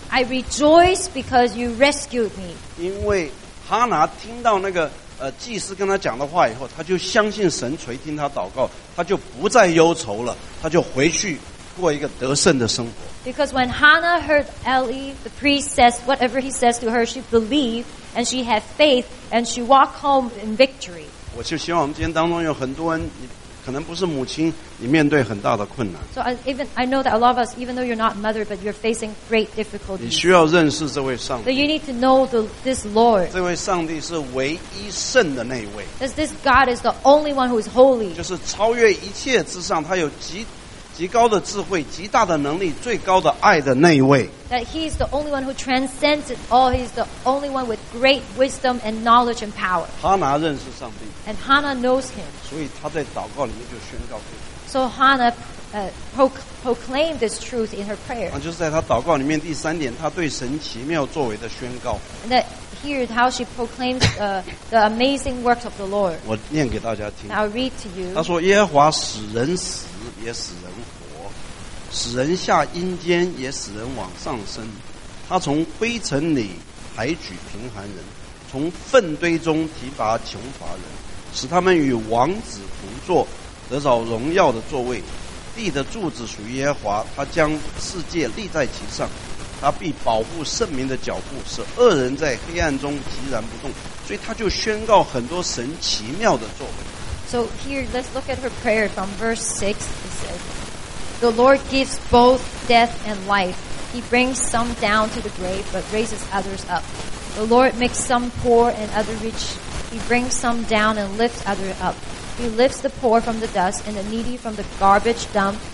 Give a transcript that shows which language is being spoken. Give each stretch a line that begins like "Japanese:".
English: I rejoice because you rescued me.
Chinese: 因为哈拿听到那个祭司跟他讲的话以后，他就相信神垂听他祷告，他就不再忧愁了，他就回去过一个得胜的生活。
English: Because when Hannah heard Eli, the priest says whatever he says to her, she believed and she had faith and she walked home in victory.
Chinese: 我就希望我们今天当中有很多人。可能不是母亲，你面对很大的困难。
English: So I know that a lot of us, even though you're not mother, but you're facing great difficulties.
Chinese: 你需要认识这位上帝。
English: That you need to know this Lord.
Chinese: 这位上帝是唯一圣的那一位。
English: That this God is the only one who is holy.
Chinese: 就是超越一切之上，他有极高的智慧、极大的能力、最高的爱的那一位。
English: That he is the only one who transcends it all. He is the only one with great wisdom and knowledge and power.
Chinese: 哈拿认识上帝。
English: And Hannah knows him.
Chinese: 所以他在祷告里面就宣告。
English: So Hannah proclaimed this truth in her prayer.
Chinese: 就是在他祷告里面第三点，他对神奇妙作为的宣告。
English: And that here is how she proclaims the amazing works of the Lord.
Chinese: 我念给大家听。
English: Now read to you.
Chinese: 他说：“耶和华使人死，也使人。” 使人下阴间，也使人往上升。他从灰尘里抬举贫寒人，从粪堆中提拔穷乏人，使他们与王子同坐，得着荣耀的座位。地的柱子属于耶和华，他将世界立在其上。他必保护圣民的脚步，使恶人在黑暗中寂然不动。所以他就宣告很多神奇妙的作为。
English: So here, let's look at her prayer from verse 6. It says,The Lord gives both death and life. He brings some down to the grave, but raises others up. The Lord makes some poor and others rich. He brings some down and lifts others up. He lifts the poor from the dust and the needy from the garbage dump